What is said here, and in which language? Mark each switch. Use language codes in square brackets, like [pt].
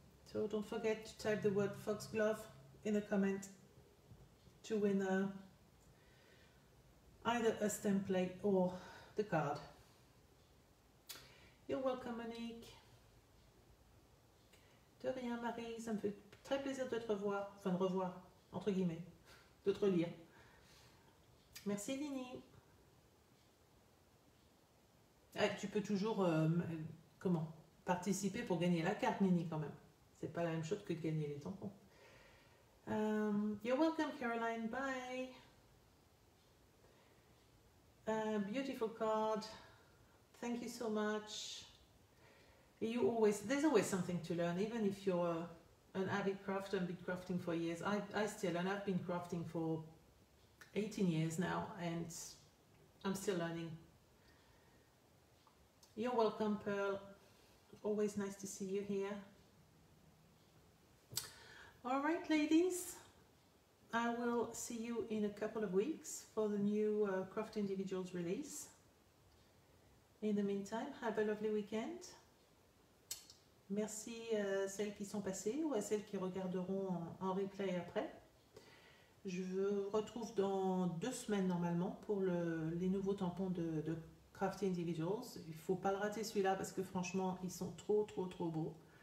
[en] So don't forget to type the word foxglove in a comment to win a either a stamp plate or the card. You're welcome, Monique. [fr] De rien, Marie. Ça me fait très plaisir de te revoir. Enfin, de revoir. entre guillemets, de te relire. Merci, Lini. Ah, tu peux toujours comment participer pour gagner la carte, Nini, quand même. C'est pas la même chose que de gagner les tampons. [en] You're welcome, Caroline. Bye. Beautiful card. Thank you so much. You always, there's always something to learn, even if you're an avid crafter and been crafting for years. I still learn. I've been crafting for 18 years now, and I'm still learning. You're welcome, Pearl. Always nice to see you here. All right, ladies. I will see you in a couple of weeks for the new Craft Individuals release. In the meantime, have a lovely weekend. [fr] Merci à celles qui sont passées ou à celles qui regarderont en replay après. Je vous retrouve dans 2 semaines normalement pour les nouveaux tampons de Craft Individuals. Il ne faut pas le rater celui-là parce que franchement, ils sont trop, trop, trop beaux.